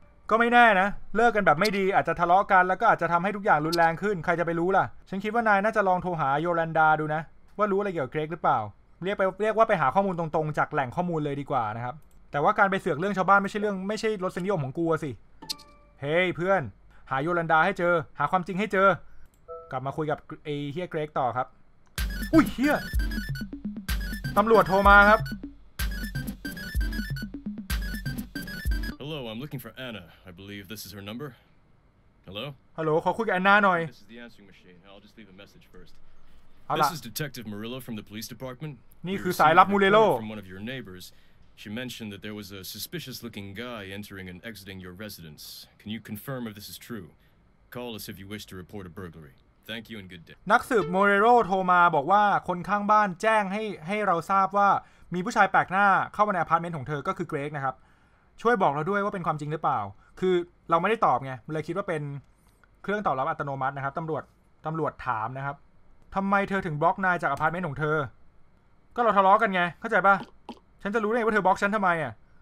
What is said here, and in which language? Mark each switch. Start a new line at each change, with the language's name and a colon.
Thai: ก็ไม่แน่นะเลิกกันแบบไม่ดีอาจจะทะเลาะกันแล้วก็อาจจะทำให้ทุกอย่างรุนแรงขึ้นใครจะไปรู้ล่ะฉันคิดว่านายน่าจะลองโทรหาโยแลนดาดูนะว่ารู้อะไรเกี่ยวกับเกรกหรือเปล่าเรียกว่าไปหาข้อมูลตรงๆจากแหล่งข้อมูลเลยดีกว่านะครับแต่ว่าการไปเสือกเรื่องชาวบ้านไม่ใช่รสนิยมของกูสิเฮ้ hey, เพื่อนหาโยแลนดาให้เจอหาความจริงให้เจอกลับมาคุยกับเฮียเกรกต่อครับอุ้ยเฮียตำรวจโทรมาครับ
English: Hello I'm looking for Anna I believe this is her number Hello
Thai: Hello ขอคุยกับแอนนาหน่อย
English: This is the answering machine I'll just leave a message first This is Detective Murillo from the police department
Thai: นี่คือสายลับมูเรโล
English: from one of your neighbors She mentioned that there was a suspicious looking guy entering and exiting your residence Can you confirm if this is true Call us if you wish to report a burglaryThank you and good day.
Thai: นักสืบโมเรโรโทรมาบอกว่าคนข้างบ้านแจ้งให้เราทราบว่ามีผู้ชายแปลกหน้าเข้ามาในอพาร์ตเมนต์ของเธอก็คือเกรกนะครับช่วยบอกเราด้วยว่าเป็นความจริงหรือเปล่าคือเราไม่ได้ตอบไงเลยคิดว่าเป็นเครื่องตอบรับอัตโนมัตินะครับตำรวจถามนะครับทำไมเธอถึงบล็อกนายจากอพาร์ตเมนต์ของเธอก็เราทะเลาะกันไงเข้าใจป่ะฉันจะรู้ได้ไงว่าเธอบล็อกฉันทำไมอ่ะ